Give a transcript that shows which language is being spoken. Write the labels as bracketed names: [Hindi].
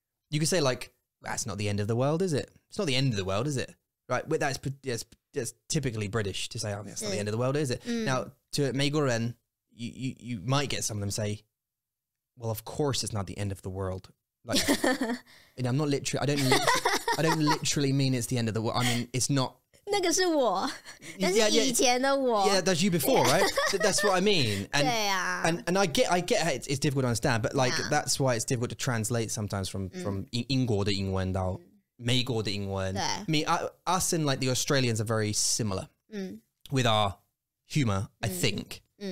[English] You could say like, "That's not the end of the world, is it? It's not the end of the world, is it?" Right? But that's typically British to say, "Oh, that's not the end of the world, is it?" Now to 美国人, you might get some of them say. Well, of course, it's not the end of the world. Like, you know, I'm not literally. I don't literally mean it's the end of the world. I mean, it's not. [Chinese] 那个是我，那是以前的我。 [English] Yeah, that's you before, right? That's what I mean. And, [Chinese] 对啊。 [English] And I get it's difficult to understand, but like that's why it's difficult to translate sometimes from [Chinese] 英国的英文到美国的英文。对。 [English] I mean, us and like the Australians are very similar with our humor, I think.